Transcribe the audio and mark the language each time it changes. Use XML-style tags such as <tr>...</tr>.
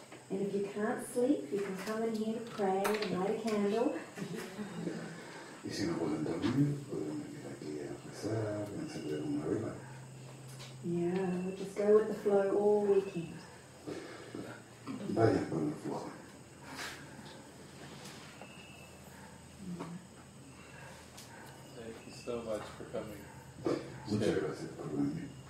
<en>And if you can't sleep, you can come in here to pray and light a candle.</en> <es>Y si no pueden dormir, pueden venir aquí a rezar, encender una vela.</es> <en>Yeah, we'll just go with the flow all weekend.</en> <es>Vaya con el flujo.</es> <en>Thank you so much for coming.</en> <es>Muchas gracias por venir.</es>